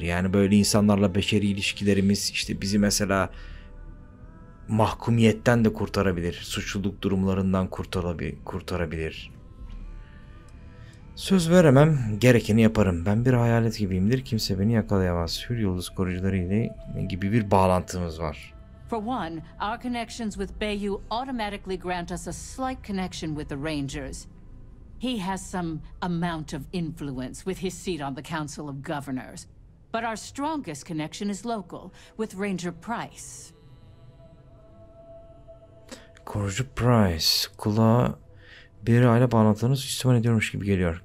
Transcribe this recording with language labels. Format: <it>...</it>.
<tr>Yani böyle insanlarla beşeri ilişkilerimiz işte bizi mesela mahkumiyetten de kurtarabilir. Suçluluk durumlarından kurtarabilir. Söz veremem, gerekeni yaparım. Ben bir hayalet gibiyimdir, kimse beni yakalayamaz. Hür yıldız koruyucuları ile gibi bir bağlantımız var.</tr> <en>For one, our connections with Bayou automatically grant us a slight connection with the Rangers. He has some amount of influence with his seat on the Council of Governors. But our strongest connection is local, with Ranger Price.</en> <tr>Korucu Price. Kulağa bir aile bağlantılarını sistem ediyormuş gibi geliyor.</tr>